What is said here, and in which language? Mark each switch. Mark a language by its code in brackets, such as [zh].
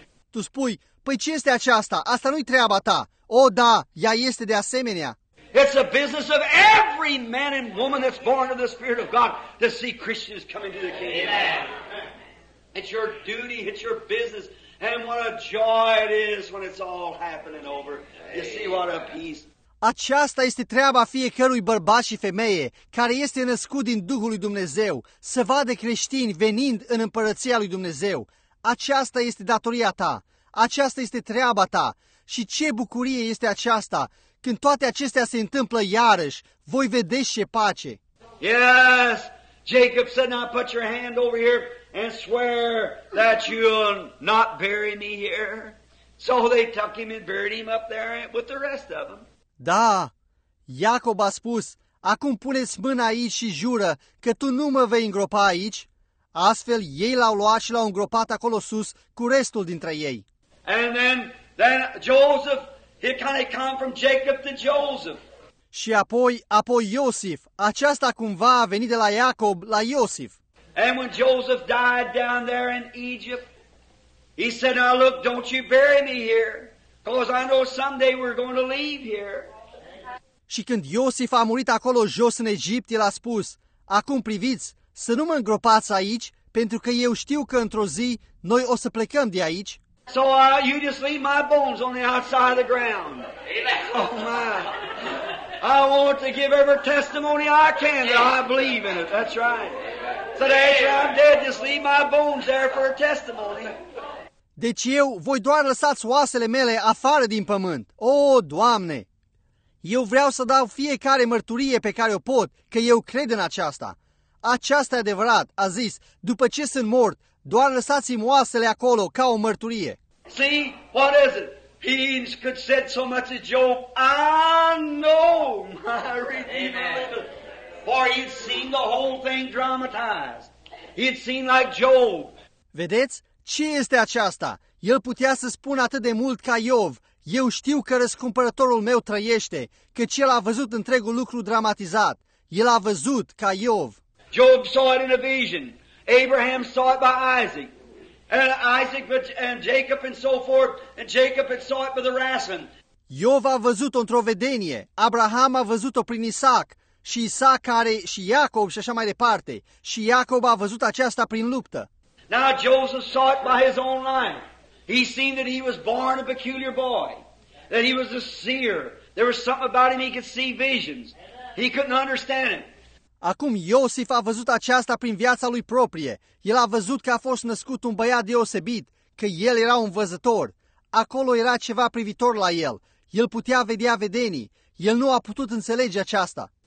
[ro] Tu spui, păi ce este aceasta? Asta nu-i treaba ta. O, da, ea este de asemenea. [en] It's a business of every man and woman that's born of the Spirit of God to see Christians coming to the kingdom. Amen. It's your duty, it's your business. And what a joy it is when it's all happening over. You see what a peace. [ro] Aceasta este treaba fiecărui bărbat și femeie care este născut din Duhul lui Dumnezeu, să vadă creștini venind în împărăția lui Dumnezeu. Aceasta este datoria ta. Aceasta este treaba ta. Și ce bucurie este aceasta când toate acestea se întâmplă iarăși. Voi vedeți ce pace. [en] Yes, Jacob said, now put your hand over here and swear that you'll not bury me here. So they took him and buried him up there with the rest of them. [ro] Da, Iacob a spus, acum pune-ți mâna aici și jură că tu nu mă vei îngropa aici. Astfel ei l-au luat și l-au îngropat acolo sus cu restul dintre ei. [en] And then Joseph, he kind of come from Jacob to Joseph. [ro] Și apoi Iosif, aceasta cumva a venit de la Iacob la Iosif. [en] And when Joseph died down there in Egypt, he said, now look, don't you bury me here, because I know someday we're going to leave here. [ro] Și când Iosif a murit acolo jos în Egipt, el a spus, acum priviți, să nu mă îngropați aici, pentru că eu știu că într-o zi noi o să plecăm de aici. [en] So you just leave my bones on the outside of the ground. Oh my. I want to give every testimony I can that I believe in it. That's right. So after I'm dead, just leave my bones there for a testimony. [ro] Deci eu voi doar lăsați oasele mele afară din pământ. O, Doamne! Eu vreau să dau fiecare mărturie pe care o pot, că eu cred în aceasta. Aceasta e adevărat, a zis, după ce sunt mort, doar lăsați-mi oasele acolo ca o mărturie. [en] See, what is it? He could said so much as Job, I know my Redeemer. For he'd seen the whole thing dramatized. He'd seen like Job. [ro] Vedeți? Ce este aceasta? El putea să spună atât de mult ca Iov. Eu știu că răscumpărătorul meu trăiește, căci el a văzut întregul lucru dramatizat. El a văzut ca Iov. [en] Job saw it in a vision. Abraham saw it by Isaac. And Isaac and Jacob and so forth. And Jacob had saw it by the Rasen. [ro] Iov a văzut-o într-o vedenie. Abraham a văzut-o prin Isaac. Și Isaac are și Iacob și așa mai departe. Și Iacob a văzut aceasta prin luptă. [en] Now Joseph saw it by his own life. He seen that he was born a peculiar boy, that he was a seer. There was something about him he could see visions. He couldn't understand it. [ro] Acum Iosif a văzut aceasta prin viața lui proprie. El a văzut că a fost născut un băiat deosebit, că el era un văzător. Acolo era ceva privitor la el. El putea vedea vedenii. El nu a putut înțelege aceasta.